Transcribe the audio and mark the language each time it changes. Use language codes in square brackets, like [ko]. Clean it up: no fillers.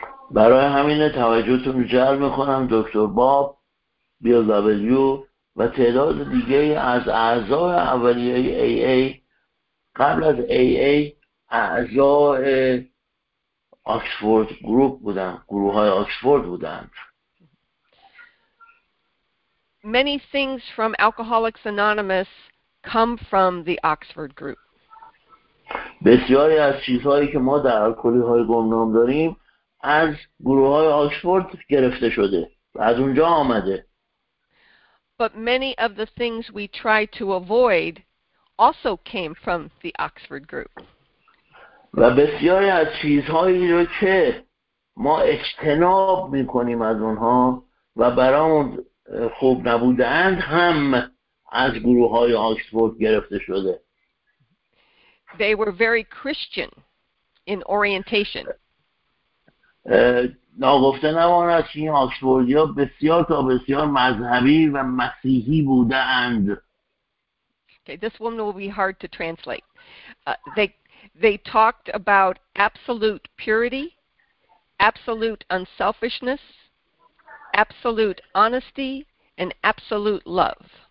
[fa] برای همینه توجهتون رو جلب میکنم دکتر باب، بیل دبلیو و تعداد دیگه از اعضای اولیه AA قبل از AA اعضای آکسفورد گروپ بودن، گروه های آکسفورد بودن. [en] Many things from Alcoholics Anonymous come from the Oxford group. [fa] بسیاری از چیزهایی که ما در الکلی های گمنام داریم از گروه های آکسفورد گرفته شده و از اونجا آمده. [en] But many of the things we try to avoid also came from the Oxford group. [fa] و بسیاری از چیزهایی رو که ما اجتناب میکنیم از اونها و برامون خوب نبودند هم از گروه های آکسفورد گرفته شده. [en] They were very Christian in orientation. [fa] ناگفته نماند که این آکسفوردی ها بسیار تا بسیار مذهبی و مسیحی بوده اند. [en] Okay, this one will be hard to translate. They talked about absolute purity, absolute unselfishness, absolute honesty, and absolute love.